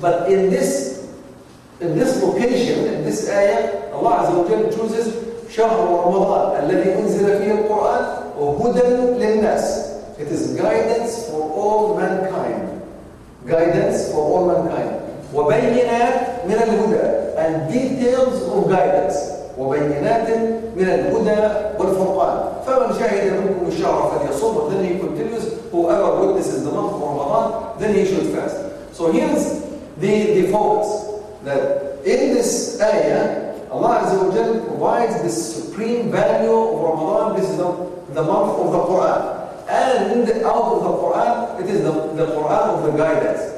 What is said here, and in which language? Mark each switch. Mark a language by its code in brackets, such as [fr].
[en] But in this location, in this ayah, Allah Azza wa Jalla chooses [ar] شهر رمضان الذي أنزل فيه القرآن وهدى للناس. [en] It is guidance for all mankind. Guidance for all mankind. [ar] وبينات من الهدى. [en] And details of guidance. [ar] وبينات من الهدى والفرقان. فمن شهد منكم الشهر فليصوم. [en] Then he continues, whoever witnesses the month of Ramadan, then he should fast. So here's the focus, that in this ayah, Allah Azza wa Jalla provides the supreme value of Ramadan. This is the month of the Quran. And in the, out of the Quran, it is the Quran of the guidance.